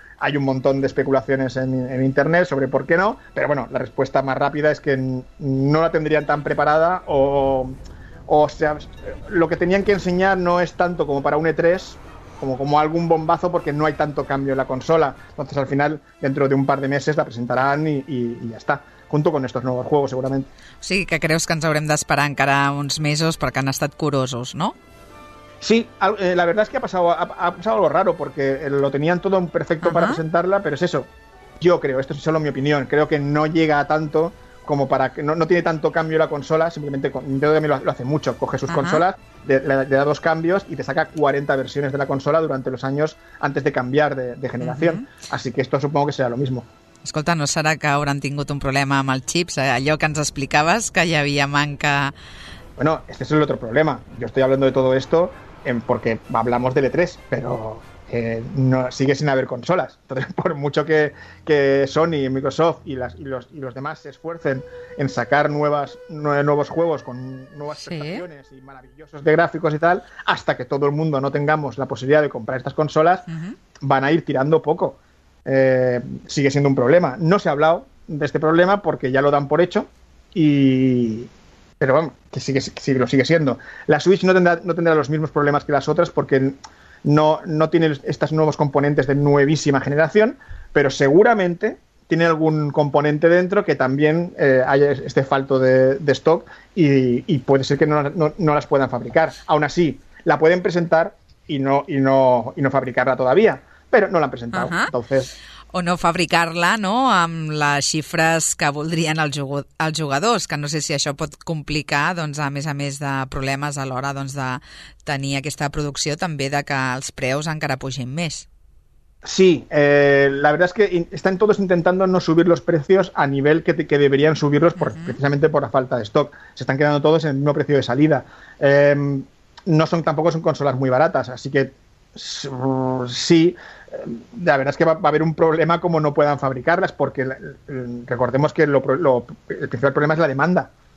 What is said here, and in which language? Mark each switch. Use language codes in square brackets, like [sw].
[es] Hay un montón de especulaciones en internet sobre por qué no, pero bueno, la respuesta más rápida es que no la tendrían tan preparada, o sea, lo que tenían que enseñar no es tanto como para un E3, como algún bombazo, porque no hay tanto cambio en la consola. Entonces, al final, dentro de un par de meses la presentarán y ya está, junto con estos nuevos juegos, seguramente. [ca] O sigui, que creus que ens haurem d'esperar encara uns mesos, perquè han estat curosos, ¿no? [es] Sí, la verdad es que ha pasado algo raro, porque lo tenían todo perfecto para presentarla, pero es eso. Yo creo, esto es solo mi opinión, creo que no llega a tanto como para que no tiene tanto cambio la consola, simplemente Nintendo también lo hace mucho, coge sus consolas, le da dos cambios y te saca 40 versiones de la consola durante los años antes de cambiar de generación. Uh-huh. Así que esto supongo que será lo mismo. [ca] Escolta, no serà que hauran tingut un problema amb els chips, allò que ens explicaves, que hi havia manca... [es] Bueno, este es el otro problema. Yo estoy hablando de todo esto porque hablamos del E3, pero no, sigue sin haber consolas. Entonces, por mucho que Sony, Microsoft y los demás se esfuercen en sacar nuevos juegos con nuevas prestaciones y maravillosos de gráficos y tal, hasta que todo el mundo no tengamos la posibilidad de comprar estas consolas, van a ir tirando poco. Sigue siendo un problema. No se ha hablado de este problema porque ya lo dan por hecho y... Pero vamos, que sigue siendo. La Switch no tendrá los mismos problemas que las otras porque no tiene estos nuevos componentes de nuevísima generación, pero seguramente tiene algún componente dentro que también haya este falto de stock y puede ser que no las puedan fabricar. Aún así, la pueden presentar y no fabricarla todavía, pero no la han presentado. Uh-huh. Entonces... [ca] O no fabricar-la, no?, amb les xifres que voldrien els jugadors, que no sé si això pot complicar, doncs, a més de problemes a l'hora doncs, de tenir aquesta producció, també de que els preus encara pugin més. [es] Sí, la verdad es que están todos intentando no subir los precios a nivel que deberían subirlos precisamente por la falta de stock. Se están quedando todos en el mismo precio de salida. Tampoco son consolas muy baratas, así que sí, la verdad es que va a haber un problema como no puedan fabricarlas, porque recordemos que el principal problema es la demanda.